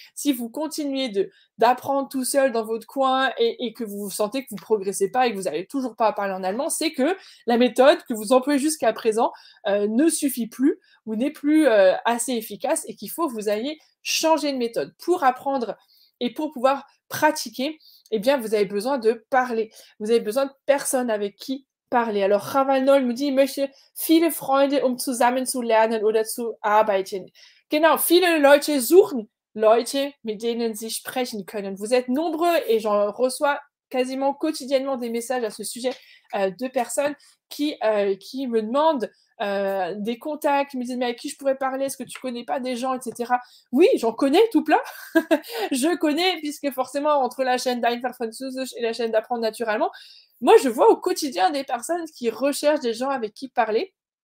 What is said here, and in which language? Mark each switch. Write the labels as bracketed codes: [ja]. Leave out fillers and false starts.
[fr] Si vous continuez d'apprendre tout seul dans votre coin et que vous sentez que vous ne progressez pas et que vous n'arrivez toujours pas à parler en allemand, c'est que la méthode que vous employez jusqu'à présent ne suffit plus ou n'est plus assez efficace et qu'il faut que vous ayez changé de méthode pour apprendre et pour pouvoir pratiquer. Eh bien, vous avez besoin de parler. Vous avez besoin de personnes avec qui parler. Alors, Ravanol me dit, monsieur, [de] viele Freunde, um zusammen zu lernen oder zu arbeiten. Genau, viele Leute suchen Leute, mit denen sie sprechen können. [fr] Vous êtes nombreux et j'en reçois quasiment quotidiennement des messages à ce sujet de personnes qui me demandent des contacts, qui me disent, mais à qui je pourrais parler? Est-ce que tu connais pas des gens, etc. Oui, j'en connais tout plein. Je connais, puisque forcément, entre la chaîne d'Einfach et la chaîne d'Apprendre naturellement, moi, je vois au quotidien des personnes qui recherchent des gens avec qui parler.